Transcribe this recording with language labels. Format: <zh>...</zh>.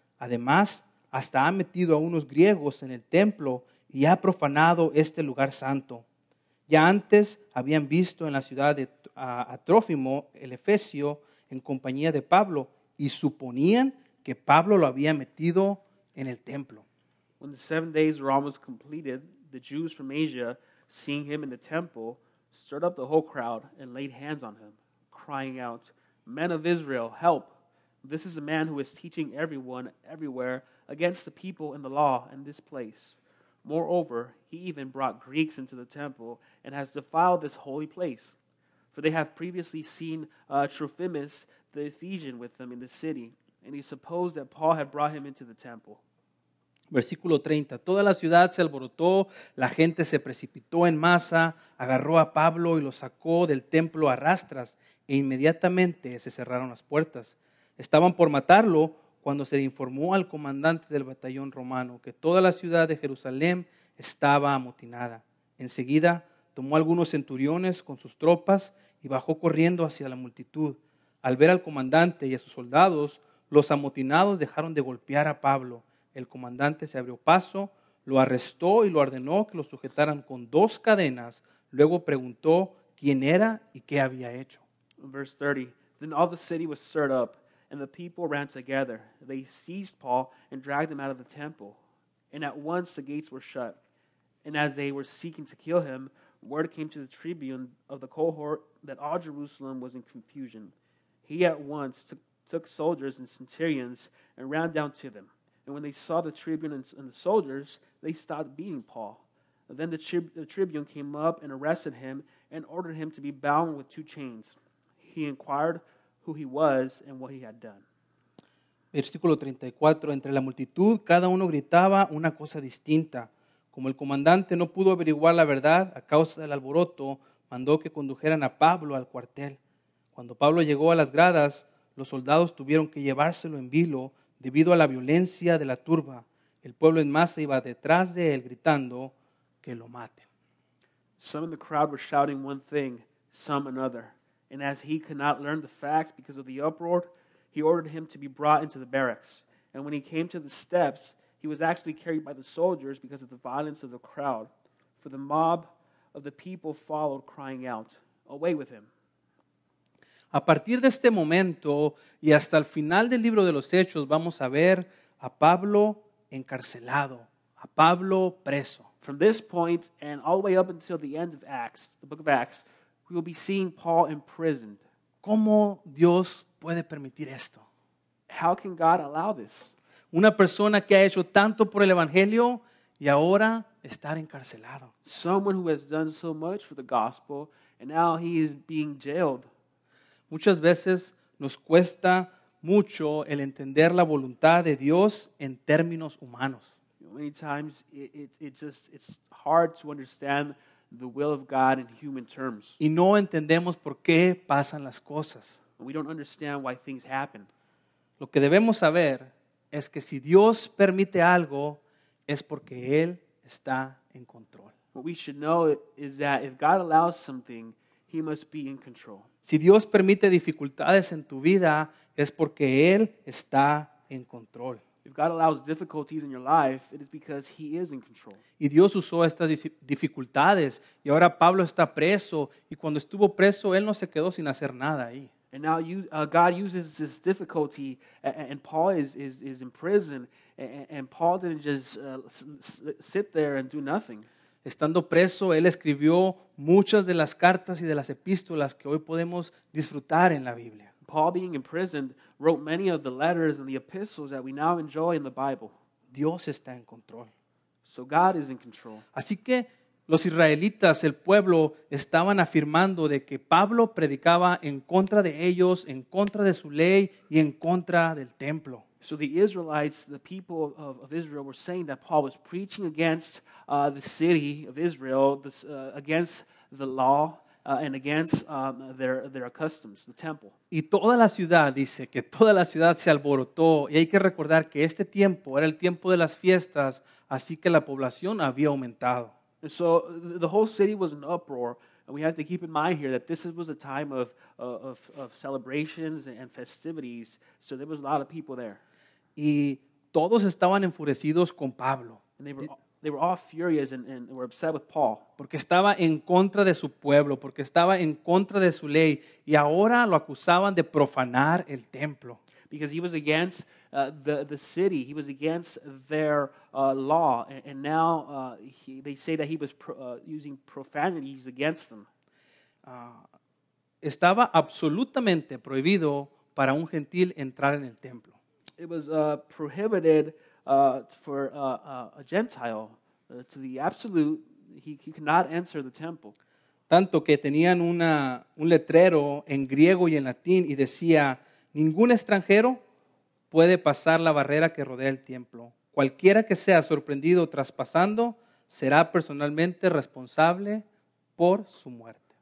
<es>Además, hasta ha metido a unos griegos en el templo y ha profanado este lugar santo. Ya antes habían visto en la ciudad de a Trófimo, el Efesio, en compañía de Pablo, y suponían que Pablo lo había metido en el templo.</es> <en>When the 7 days were almost completed, the Jews from Asia, seeing him in the temple, stirred up the whole crowd and laid hands on him, crying out, Men of Israel, help! This is a man who is teaching everyone everywhere against the people and the law in this place. Moreover, he even brought Greeks into the temple and has defiled this holy place. For they have previously seen Trophimus, the Ephesian, with them in the city, and he supposed that Paul had brought him into the temple.</en> <es>Versículo 30. Toda la ciudad se alborotó, la gente se precipitó en masa, agarró a Pablo y lo sacó del templo a rastras, e inmediatamente se cerraron las puertas. Estaban por matarlo cuando se le informó al comandante del batallón romano que toda la ciudad de Jerusalén estaba amotinada. Enseguida, tomó algunos centuriones con sus tropas y bajó corriendo hacia la multitud. Al ver al comandante y a sus soldados, los amotinados dejaron de golpear a Pablo. El comandante se abrió paso, lo arrestó y lo ordenó que lo sujetaran con dos cadenas. Luego preguntó quién era y qué había hecho.</es> <en>Verse 30. Then all the city was stirred up, and the people ran together. They seized Paul and dragged him out of the temple. And at once the gates were shut. And as they were seeking to kill him, word came to the tribune of the cohort that all Jerusalem was in confusion. He at once took soldiers and centurions and ran down to them. And when they saw the tribune and the soldiers, they stopped beating Paul. Then the tribune came up and arrested him and ordered him to be bound with two chains. He inquired who he was and what he had done.</en> <es>Versículo 34. Entre la multitud, cada uno gritaba una cosa distinta. Como el comandante no pudo averiguar la verdad a causa del alboroto, mandó que condujeran a Pablo al cuartel. Cuando Pablo llegó a las gradas, los soldados tuvieron que llevárselo en vilo debido a la violencia de la turba. El pueblo en masa iba detrás de él gritando que lo maten.</es> <en>Some in the crowd were shouting one thing, some another. And as he could not learn the facts because of the uproar, he ordered him to be brought into the barracks. And when he came to the steps, he was actually carried by the soldiers because of the violence of the crowd. For the mob of the people followed, crying out, Away with him.</en> <es>A partir de este momento y hasta el final del libro de los Hechos, vamos a ver a Pablo encarcelado, a Pablo preso.</es> <en>From this point and all the way up until the end of Acts, the book of Acts, we will be seeing Paul imprisoned.</en> <es>¿Cómo Dios puede permitir esto?</es> <en>How can God allow this?</en> <es>Una persona que ha hecho tanto por el Evangelio y ahora estar encarcelado.</es> <en>Someone who has done so much for the gospel and now he is being jailed.</en> <es>Muchas veces nos cuesta mucho el entender la voluntad de Dios en términos humanos.</es> <en>Many times it's hard to understand the will of God in human terms.</en> <es>Y no entendemos por qué pasan las cosas.</es> <en>We don't understand why things happen.</en> <es>Lo que debemos saber es que si Dios permite algo, es porque Él está en control.</es> <en>What we should know is that if God allows something, He must be in control.</en> <es>Si Dios permite dificultades en tu vida, es porque Él está en control.</es> <en>If God allows difficulties in your life, it is because He is in control.</en> <es>Y Dios usó estas dificultades, y ahora Pablo está preso, y cuando estuvo preso, Él no se quedó sin hacer nada ahí.</es> <en>And now God uses this difficulty, and Paul is in prison, and Paul didn't just sit there and do nothing.</en> <es>Estando preso, él escribió muchas de las cartas y de las epístolas que hoy podemos disfrutar en la Biblia.</es> <en>Paul being imprisoned, wrote many of the letters and the epistles that we now enjoy in the Bible.</en> <es>Dios está en control.</es> <en>So God is in control.</en> <es>Así que los israelitas, el pueblo, estaban afirmando de que Pablo predicaba en contra de ellos, en contra de su ley y en contra del templo.</es> <en>So the Israelites, the people of Israel, were saying that Paul was preaching against the city of Israel, against the law, and against their customs, the temple.</en> <es>Y toda la ciudad, dice, que toda la ciudad se alborotó. Y hay que recordar que este tiempo era el tiempo de las fiestas, así que la población había aumentado.</es> <en>And so the whole city was in uproar. And we have to keep in mind here that this was a time of celebrations and festivities. So there was a lot of people there.</en> <es>Y todos estaban enfurecidos con Pablo.</es> <en>And they were all furious and were upset with Paul.</en> <es>Porque estaba en contra de su pueblo, porque estaba en contra de su ley. Y ahora lo acusaban de profanar el templo.</es> <en>Because he was against the city. He was against their law. And now they say that he was using profanities against them.</en> <es>Estaba absolutamente prohibido para un gentil entrar en el templo.</es> <en>It was prohibited for a Gentile. To the absolute, he could not enter the temple.</en> <es>Tanto que tenían un letrero en griego y en latín y decía: ningún extranjero puede pasar la barrera que rodea el templo. Cualquiera que sea sorprendido traspasando será personalmente responsable por su muerte.</es>